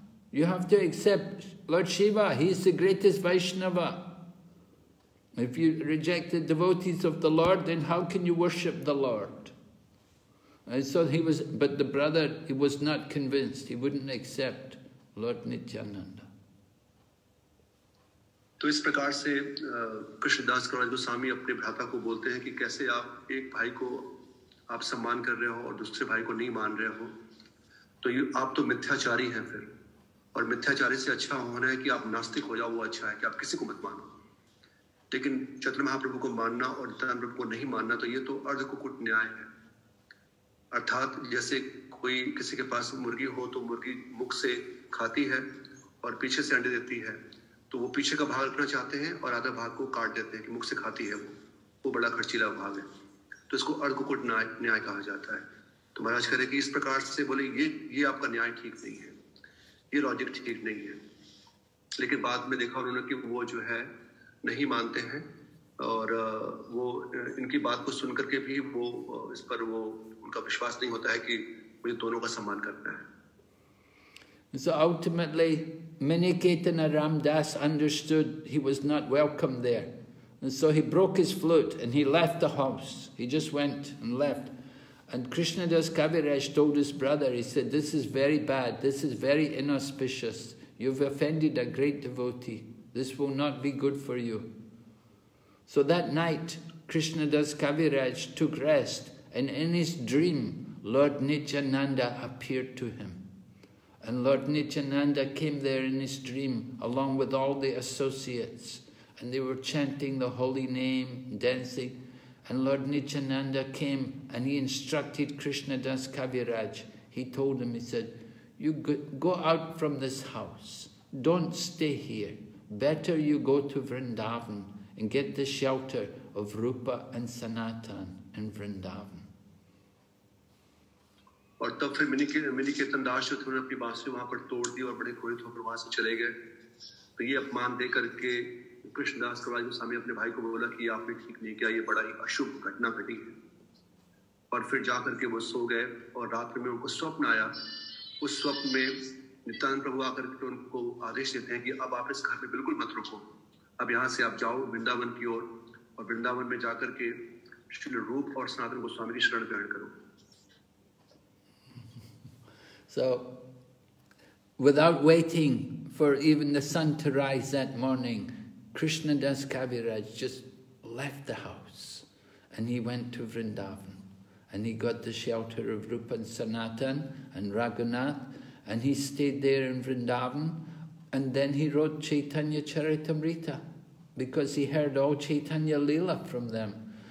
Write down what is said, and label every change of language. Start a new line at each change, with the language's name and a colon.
English: You have to accept Lord Shiva. He is the greatest Vaishnava. If you reject the devotees of the Lord, then how can you worship the Lord? And so he was, but the brother, he was not convinced. He wouldn't accept Lord Nityananda.
Hindi: तो इस प्रकार से कृष्णदास कृष्णदासको स्वामी अपने भ्राता को बोलते हैं कि कैसे आप एक भाई को आप सम्मान कर रहे हो और दूसरे भाई को नहीं मान रहे हो, तो आप तो मिथ्याचारी हैं फिर, और मिथ्याचारी से अच्छा होना है कि आप नास्तिक हो जाओ, वो अच्छा है कि आप किसी को मत मानो, लेकिन चतुर महाप्रभु को मानना और नित्यानंद प्रभु को नहीं मानना तो ये तो अर्धकुकुट न्याय है। अर्थात जैसे कोई किसी के पास मुर्गी हो तो मुर्गी मुख से खाती है और पीछे से अंडे देती है, तो वो पीछे का भाग रखना चाहते हैं और आधा भाग को काट देते हैं कि मुख से खाती है वो बड़ा खर्चीला भाग है, तो इसको अर्धकुकुट न्याय कहा जाता है। तो महाराज कह रहे कि इस प्रकार से बोले ये आपका न्याय ठीक नहीं है, ये लॉजिक ठीक नहीं है। लेकिन बाद में देखा उन्होंने कि वो जो है नहीं मानते हैं और वो इनकी बात को सुन करके भी वो इस पर वो उनका विश्वास नहीं होता है कि मुझे दोनों का सम्मान करना है।
English: Miniketana Ramdas understood he was not welcome there. And so he broke his flute and he left the house. He just went and left. And Krishnadas Kaviraj told his brother, he said, this is very bad. This is very inauspicious. You've offended a great devotee. This will not be good for you. So that night, Krishnadas Kaviraj took rest. And in his dream, Lord Nityananda appeared to him. And Lord Nityananda came there in his dream, along with all the associates. And they were chanting the holy name, dancing. And Lord Nityananda came and he instructed Krishnadas Kaviraj. He told him, he said, you go out from this house. Don't stay here. Better you go to Vrindavan and get the shelter of Rupa and Sanatan in Vrindavan.
Hindi: और तब फिर mini Ketan दास जो थे उन्होंने अपनी बांसुरी वहां पर तोड़ दी और बड़े क्रोधित होकर वहां से चले गए। तो ये अपमान दे करके कृष्णदास कवाज स्वामी अपने भाई को बोला कि आपने ठीक नहीं किया, ये बड़ा ही अशुभ घटना घटी है। और फिर जाकर के वो सो गए और रात्रि में उनको स्वप्न आया। उस स्वप्न में नित्यानंद प्रभु आकर के उनको आदेश देते हैं कि अब आप इस घर में बिल्कुल मत रुको, अब यहाँ से आप जाओ वृंदावन की ओर और वृंदावन में जाकर के श्री रूप और सनातन गोस्वामी की शरण ग्रहण करो।
English: So, without waiting for even the sun to rise that morning, Krishnadas Kaviraj just left the house and he went to Vrindavan and he got the shelter of Rupa and Sanatan and Raghunath and he stayed there in Vrindavan and then he wrote Chaitanya Charitamrita because he heard all Chaitanya Leela from them.